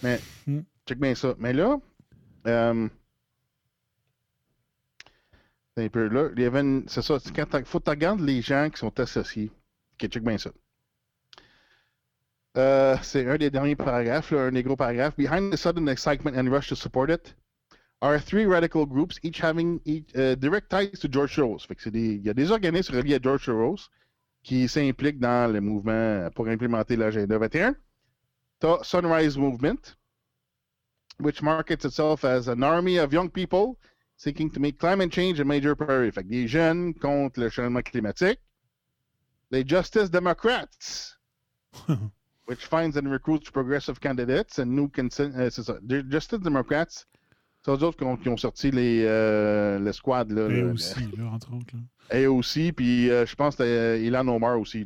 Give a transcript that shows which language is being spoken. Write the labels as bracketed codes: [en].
[fr] Mais, check bien ça. Mais là, c'est un peu là. Il y avait c'est ça. Il faut que tu regardes les gens qui sont associés. Ok, check bien ça. C'est un des derniers paragraphes, là, un des gros paragraphes. [en] Behind the sudden excitement and rush to support it. Are three radical groups, each having direct ties to George Soros. [fr] Fait que il y a des organismes reliés à George Soros qui s'impliquent dans le mouvement pour implémenter l'agenda 21. T'as [en] Sunrise Movement, which markets itself as an army of young people seeking to make climate change a major priority. [fr] Fait que des jeunes contre le changement climatique. Les [en] Justice Democrats, which finds and recruits progressive candidates and new consensus. Justice Democrats. [fr] C'est eux autres qui ont sorti les squads. Là, et aussi, là, entre autres. Là. Et aussi, puis je pense que c'était Ilhan Omar aussi.